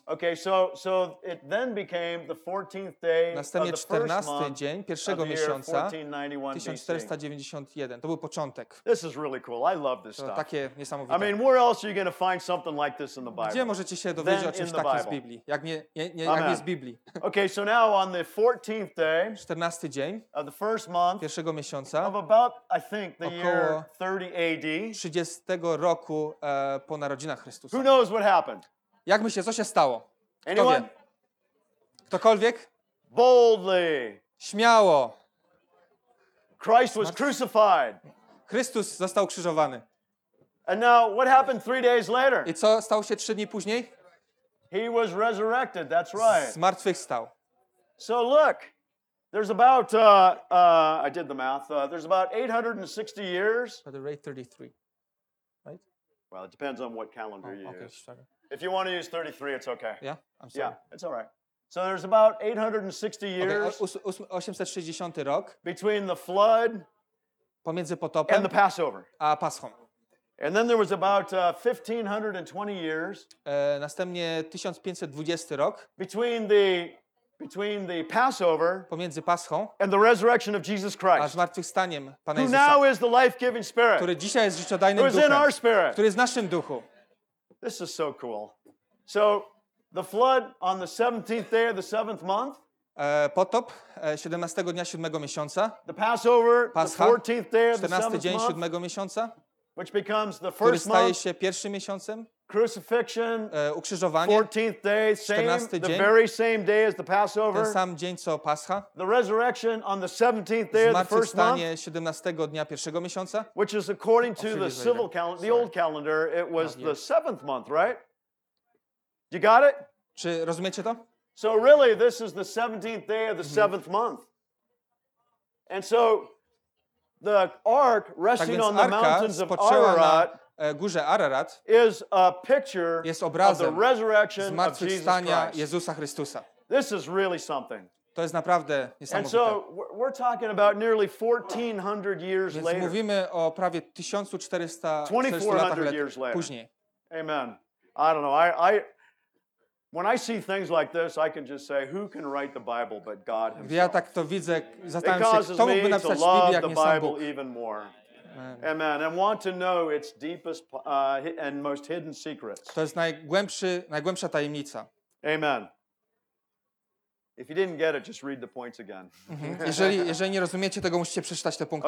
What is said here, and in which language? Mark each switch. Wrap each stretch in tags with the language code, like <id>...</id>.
<en>Okay, so it then became the 14th day of the first month.</en> <pl>Następnie 14 dzień pierwszego miesiąca 1491. To był początek.</pl> <en>This is really cool. I love this stuff.</en> <pl>Takie niesamowite.</pl> <en>I mean, where else are you going to find something like this in the Bible?</en> <pl>Gdzie możecie się dowiedzieć o czymś takim z Biblii? Jak nie z Biblii.</pl> <en>Okay, so now on the 14th day</en> <pl>14 dzień</pl> <en>of the first month</en> <pl>pierwszego miesiąca</pl> <en>of about I think the year 30 AD</en> <pl>30 roku roku po narodzinach Chrystusa.</pl> <en>Who knows what happened?</en> <pl>Jak myślicie, co się stało? Kto</pl> <en>anyone?</en> <pl>Wie? Ktokolwiek?</pl> <en>Boldly.</en> <pl>Śmiało.</pl> <en>Christ was crucified.</en> <pl>Chrystus został ukrzyżowany.</pl> <en>And now what happened 3 days later?</en> <pl>I co stało się 3 dni później?</pl> <en>He was resurrected. That's right.</en> <pl>Zmartwychwstał.</pl> <en>So look. There's about I did the math. There's about 860 years. By the rate 33. Well, it depends on what calendar you okay, use. Sorry. If you want to use 33, it's okay. Yeah, I'm sorry. Yeah, it's all right. So there's about 860 years</en> <pl>okay, 860 rok</pl> <en>between the flood</en> <pl>pomiędzy potopem</pl> <en>and the Passover.</en> <pl>A Paschą.</pl> <en>And then there was about 1520 years.</en> <pl>Następnie 1520 rok.</pl> <en>Between the Passover,</en> <pl>pomiędzy Paschą,</pl> <en>and the resurrection of Jesus Christ,</en> <pl>a zmartwychwstaniem Pana</pl> <en>who</en> <pl>Jezusa,</pl> <en>now is the life-giving spirit,</en> <pl>który dzisiaj jest życiodajnym duchem,</pl> <en>in our spirit,</en> <pl>który jest w naszym duchu.</pl> <en>This is so cool. So the flood on the 17th day of the 7th month.</en> <pl>Potop 17 dnia 7 miesiąca.</pl> <en>The Passover,</en> <pl>Pascha,</pl> <en>the 14th day of the</en> <pl>14th dzień 7 miesiąca.</pl> <en>Which becomes the first month.</en> <pl>Który staje się pierwszym miesiącem.</pl> <en>Crucifixion.</en> <pl>Ukrzyżowanie.</pl> <en>14th day, same, the very same day as the Passover.</en> <pl>Ten sam dzień co Pascha.</pl> <en>The resurrection on the 17th day of the first month.</en> <pl>Zmartwychwstanie 17 dnia pierwszego miesiąca.</pl> <en>Which is according to the civil calendar, the old calendar, it was the 7th month, right? You got it?</en> <pl>Czy rozumiecie to?</pl> <en>So really, this is the 17th day of the 7th month. And so the ark resting on the mountains of Ararat,</en> <pl>górze Ararat,</pl> <en>is a picture</en> <pl>jest obrazem</pl> <en>of the resurrection</en> <pl>zmartwychwstania Jezusa Chrystusa.</pl> <en>This is really something.</en> <pl>To jest naprawdę niesamowite.</pl> <en>And so we're talking about nearly 1400 years</en> <pl>więc</pl> <en>later.</en> <pl>Więc mówimy o prawie 1400 latach później.</pl> <en>Amen. I don't know. When I see things like this, I can just say, who can write the Bible but God himself?</en> <pl>Ja tak to widzę, zastanawiam się, kto mógłby napisać Biblię, jak nie sam</pl> <en>Bible</en> <pl>Bóg.</pl> <en>Even more. Amen. And want to know its deepest and most hidden secrets.</en> <pl>To jest najgłębsza tajemnica.</pl> <en>Amen. If you didn't get it, just read the points again.</en> <pl>jeżeli nie rozumiecie tego, musicie przeczytać te punkty</pl>